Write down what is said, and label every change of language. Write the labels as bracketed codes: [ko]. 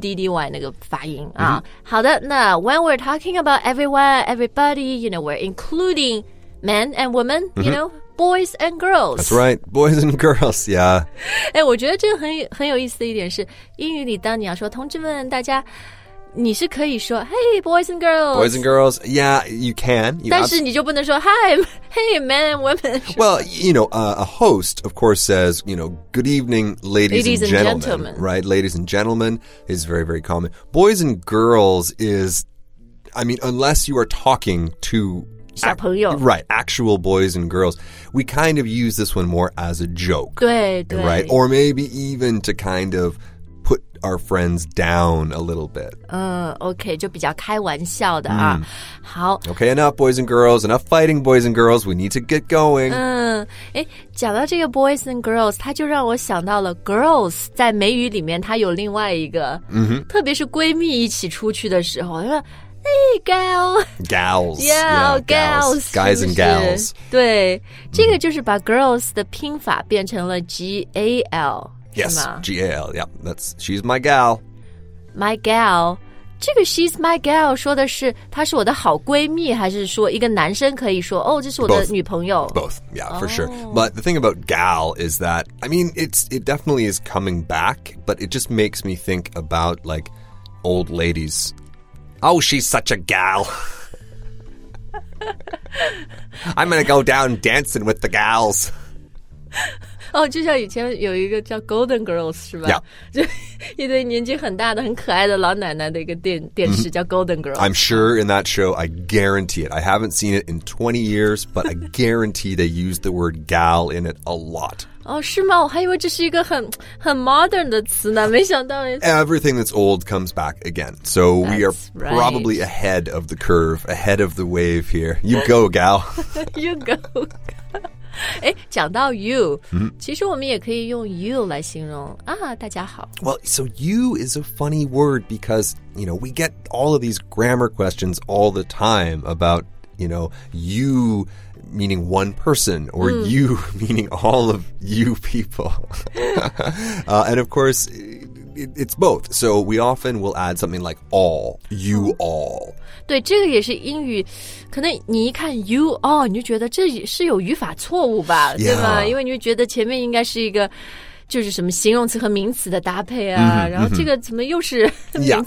[zh] Buddy 那个发音、mm-hmm. 啊。好的，那 [en] when we're talking about everyone, everybody, you know, we're including men and women, you、mm-hmm. know. Boys and girls. That's right, boys and girls, yeah. [zh] 哎，我觉得这个很有意思的一点是，英语里当你要说同志们，大家，你是可以说 [en] Hey, boys and girls. Boys and girls, yeah, you can. You [zh] 但是你就不能说 [en] Hi, hey, men and women. Well, you know,、a host, of course, says, you know, good evening, ladies and gentlemen. Right, ladies and gentlemen is very, very common. Boys and girls is, I mean, unless you are talking to... [zh] 小朋友 [en] right, actual boys and girls. We kind of use this one more as a joke. [zh] 对对 [en] Right, or maybe even to kind of put our friends down a little bit. Okay, [zh] 就比较开玩笑的啊。好。 [en] Okay, enough boys and girls, enough fighting boys and girls. We need to get going. [zh] 讲到这个 [en] boys and girls, [zh] 它就让我想到了 [en] girls [zh] 在美语里面它有另外一个、 mm-hmm. 特别是闺蜜一起出去的时候。 [en] Hey, gal. Gals. Yeah, gals. Guys and gals. [zh] 对、mm. 这个就是把 [en] girls [zh] 的拼法变成了 G-A-L, [en] Yes, G-A-L, yeah. That's, she's my gal. My gal. [zh] 这个 [en] she's my gal [zh] 说的是她是我的好闺蜜还是说一个男生可以说哦、 [en] oh, [zh] 这是我的女朋友 [en] Both, yeah, for、oh. sure. But the thing about gal is that, I mean, it definitely is coming back, but it just makes me think about, like, old ladies... Oh, she's such a gal. I'm going to go down dancing with the gals. Oh, [zh] 就像以前有一个叫 Golden Girls, 是吧? [en] Yeah. [zh] 就一堆年纪很大的、很可爱的老奶奶的一个电视叫 Golden Girls. [en] I'm sure in that show, I guarantee it. I haven't seen it in 20 years, but I guarantee they use the word gal in it a lot. [zh] 哦，是吗？我还以为这是一个很 modern 的词呢，没想到。 [en] Everything that's old comes back again. So we are probably ahead of the curve, ahead of the wave here. You go, gal. You go. [zh] 哎，讲到 [en] you,、 [zh] mm-hmm. 其实我们也可以用 you 来形容啊，大家好。 [en] Well, so you is a funny word because, you know, we get all of these grammar questions all the time about, you know, you... meaning one person, or、mm. you, meaning all of you people. and of course, it's both. So we often will add something like all, you all. [zh] 对，这个也是英语，可能你一看 [en] you all, [zh] 你就觉得这是有语法错误吧、 [en] yeah. [zh] 对吧？因为你会觉得前面应该是一个就是什么形容词和名词的搭配啊、mm-hmm, 然后这个怎么又是、mm-hmm.